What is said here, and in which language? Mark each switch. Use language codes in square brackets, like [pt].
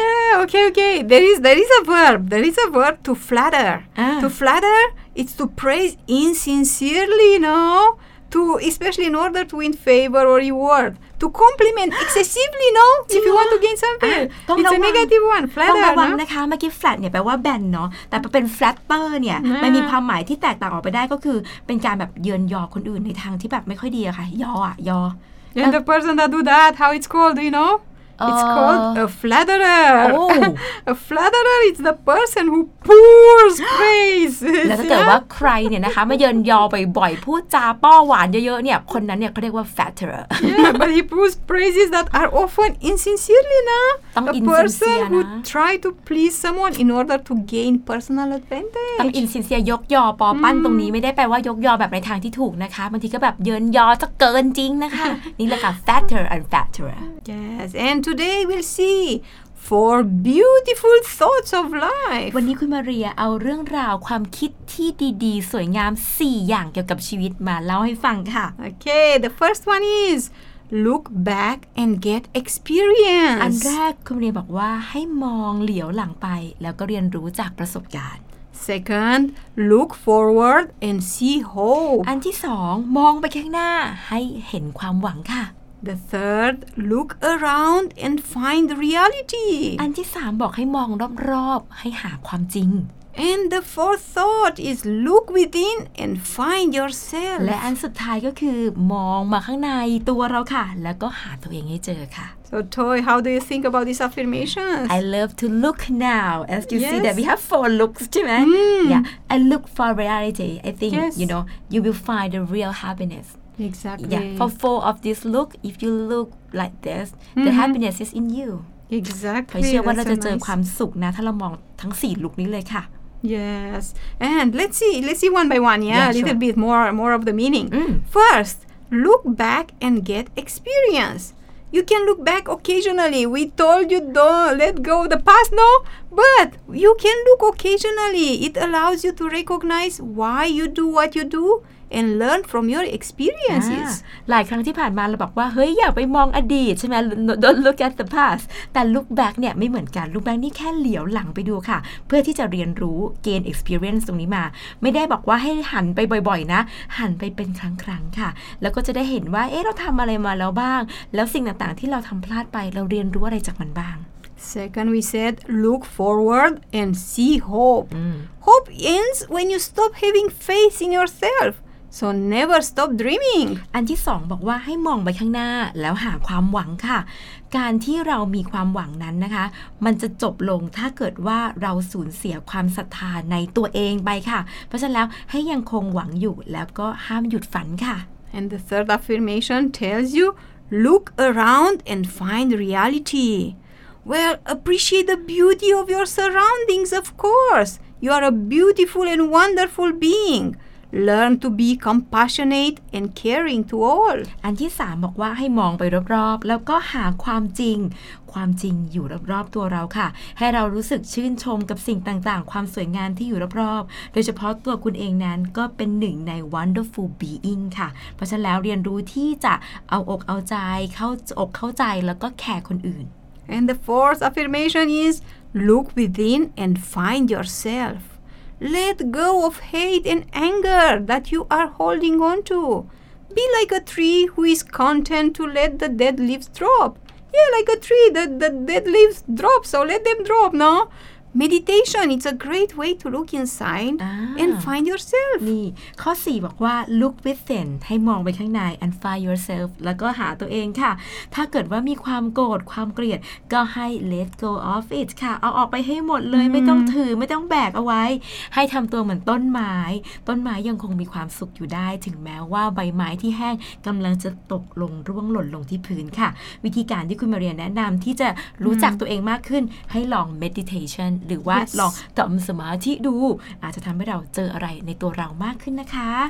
[en] yeah okay okay there is a verb to flatter to flatter it's to praise insincerely no to especially in order to win favor or reward to compliment excessively no if you want to gain something it's a negative one flatter [th] ต้องระวังนะคะเมื่อกี้แฟลตเนี่ยแปลว่าแบนเนาะแต่พอเป็นแฟตเตอร์เนี่ยมันมีความหมายที่แตกต่างออกไปได้ก็คือเป็นการแบบเยินยอคนอื่นในทางที่แบบไม่ค่อยดีอะค่ะยออะยอ [en] and the person that do that how it's called do you knowIt's called a flatterer. Oh. A flatterer is the person who pours praise. [th] แล้วถ้าเกิดว่าใครเนี่ยนะคะมาเยินยอบ่อยๆพูดจาป้อหวานเยอะๆเนี่ยคนนั้นเนี่ยเขาเรียกว่า flatterer. [en] Yeah, but he pours praises that are often insincerely, [th] นะ [en] A person who try to please someone in order to gain personal advantage. [th] ต้อง insincere ยกยอปอปั้นตรงนี้ไม่ได้แปลว่ายกยอแบบในทางที่ถูกนะคะบางทีก็แบบเยินยอจะเกินจริงนะคะนี่แหละค่ะ [en] flatter and flatterer. Yes, andToday we'll see four beautiful thoughts of life. [th] วันนี้คุณมาเรียเอาเรื่องราวความคิดที่ดีๆสวยงาม4อย่างเกี่ยวกับชีวิตมาเล่าให้ฟังค่ะ [en] Okay, the first one is look back and get experience. [th] อันแรกคุณมาเรียบอกว่าให้มองเหลียวหลังไปแล้วก็เรียนรู้จากประสบการณ์ [en] Second, look forward and see hope. [th] อันที่2มองไปข้างหน้าให้เห็นความหวังค่ะ [en] The third, look around and find reality. [th] อันที่สามบอกให้มองรอบๆให้หาความจริง [en] And the fourth thought is look within and find yourself. [th] และอันสุดท้ายก็คือมองมาข้างในตัวเราค่ะแล้วก็หาตัวเองให้เจอค่ะ [en] So Toy, how do you think about these affirmations? I love to look now. As you see that we have four looks, right? Yeah, I look for reality. I think, you know, you will find the real happiness. Exactly. Yeah, for four of this look, if you look like this, the happiness is in you. Exactly. [th] ผมเชื่อว่าเราจะเจอความสุขนะถ้าเรามองทั้ง4ลุคนี้เลยค่ะ [en] Yes. And let's see one by one, yeah? A little bit more of the meaning. First, look back and get experience. You can look back occasionally. We told you don't let go of the past, no? But you can look occasionally. It allows you to recognize why you do what you do. And learn from your experiences. [th] หลายครั้งที่ผ่านมาเราบอกว่าเฮ้ยอย่าไปมองอดีตใช่ไหม [en] Don't look at the past. [th] แต่ look back เนี่ยไม่เหมือนกัน Look back นี่แค่เหลียวหลังไปดูค่ะเพื่อที่จะเรียนรู้ [en] gain experience [th] ตรงนี้มาไม่ได้บอกว่าให้หันไปบ่อยๆนะหันไปเป็นครั้งๆค่ะแล้วก็จะได้เห็นว่าเอ๊ะเราทำอะไรมาแล้วบ้างแล้วสิ่งต่างๆที่เราทำพลาดไปเราเรียนรู้อะไรจากมันบ้าง [en] Second, we said look forward and see hope. Hope ends when you stop having faith in yourself. So never stop dreaming. [th] อันที่สองบอกว่าให้มองไปข้างหน้าแล้วหาความหวังค่ะการที่เรามีความหวังนั้นนะคะมันจะจบลงถ้าเกิดว่าเราสูญเสียความศรัทธาในตัวเองไปค่ะเพราะฉะนั้นแล้วให้ยังคงหวังอยู่แล้วก็ห้ามหยุดฝันค่ะ [en] And the third affirmation tells you look around and find realityWell, appreciate the beauty of your surroundings, of course. You are a beautiful and wonderful being. Learn to be compassionate and caring to all. อันที่สามบอกว่าให้มองไปรอบๆแล้วก็หาความจริงความจริงอยู่รอบๆตัวเราค่ะให้เรารู้สึกชื่นชมกับสิ่งต่างๆความสวยงามที่อยู่รอบๆโดยเฉพาะตัวคุณเองนั้นก็เป็นหนึ่งใน wonderful being ค่ะเพราะฉะนั้นแล้วเรียนรู้ที่จะเอาอกเอาใจเข้าอกเข้าใจแล้วก็แคร์คนอื่น And the fourth affirmation is look within and find yourself. Let go of hate and anger that you are holding on to. be like a tree who is content to let the dead leaves drop. Yeah, like a tree, the dead leaves drop, so let them drop, no? Meditation, it's a great way to look inside and find yourself. [th] นี่ข้อ4บอกว่า [en] look within [th] ให้มองไปข้างใน [en] and find yourself [th] แล้วก็หาตัวเองค่ะถ้าเกิดว่ามีความโกรธความเกลียดก็ให้ [en] let go of it [th] ค่ะเอาออกไปให้หมดเลยไม่ต้องถือไม่ต้องแบกเอาไว้ให้ทำตัวเหมือนต้นไม้ ต้นไม้ยังคงมีความสุขอยู่ได้ถึงแม้ว่าใบไม้ที่แห้งกำลังจะตกลงร่วงหล่นลงที่พื้นค่ะวิธีการที่คุณมาเรียนแนะนำที่จะรู้จักตัวเองมากขึ้นให้ลอง meditationหรือว่า ลองทำสมาธิดูอาจจะทำให้เราเจออะไรในตัวเรามากขึ้นนะคะ